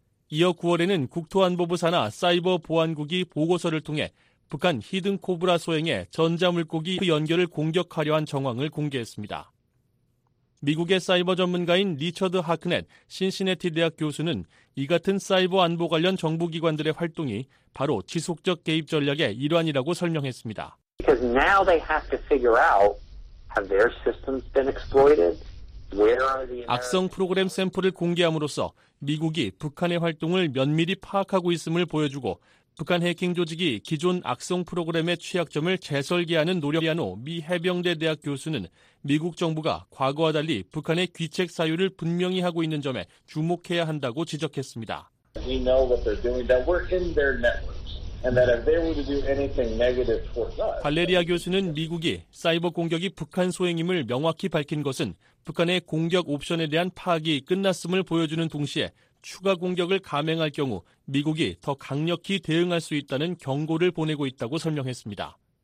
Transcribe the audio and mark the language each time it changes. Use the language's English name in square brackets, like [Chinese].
[Korean] 이어 9월에는 국토안보부 산하 사이버보안국이 보고서를 통해 북한 히든코브라 소행의 전자물고기 연결을 공격하려 한 정황을 공개했습니다. 미국의 사이버 전문가인 리처드 하크넷 신시내티 대학 교수는 이 같은 사이버 안보 관련 정부기관들의 활동이 바로 지속적 개입 전략의 일환이라고 설명했습니다. [English] Because now they have to figure out, have their systems been exploited? Where are the [Korean] 악성 프로그램 샘플을 공개함으로써 미국이 북한의 활동을 면밀히 파악하고 있음을 보여주고 북한 해킹 조직이 기존 악성 프로그램의 취약점을 재설계하는 노력이란 후 미 해병대 대학 교수는 미국 정부가 과거와 달리 북한의 귀책 사유를 분명히 하고 있는 점에 주목해야 한다고 지적했습니다. [English] We know what they're doing, that we're in their networks, and that if they were to do anything negative towards us. [Korean] 발레리아 교수는 미국이 사이버 공격이 북한 소행임을 명확히 밝힌 것은 북한의 공격 옵션에 대한 파악이 끝났음을 보여주는 동시에 추가 공격을 감행할 경우 미국이 더 강력히 대응할 수 있다는 경고를 보내고 있다고 설명했습니다.